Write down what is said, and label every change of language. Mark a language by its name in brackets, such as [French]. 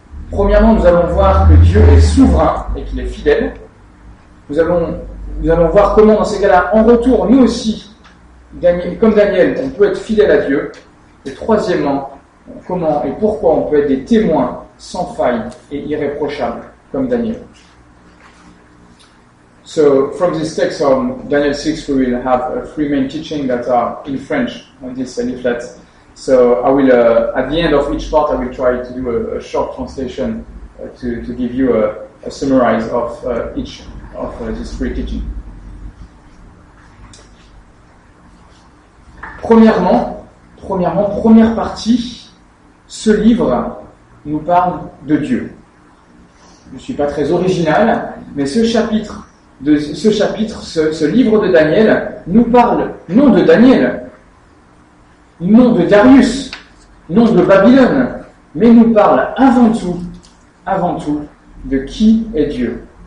[French] Premièrement, nous allons voir que Dieu est souverain et qu'il est fidèle. Nous allons voir comment, dans ces cas-là, en retour, nous aussi, comme Daniel, on peut être fidèle à Dieu. Et troisièmement, comment et pourquoi on peut être des témoins sans faille et irréprochables, comme Daniel. [English] So, from this text on Daniel 6, we will have three main teachings that are in French on this leaflet. So, I will, at the end of each part, I will try to do a short translation to give you a summarize of each of these three teachings. [French] Premièrement, première partie, ce livre nous parle de Dieu. Je ne suis pas très original, mais ce livre de Daniel nous parle non de Daniel, non de Darius, non de Babylone, mais nous parle avant tout, de qui est Dieu.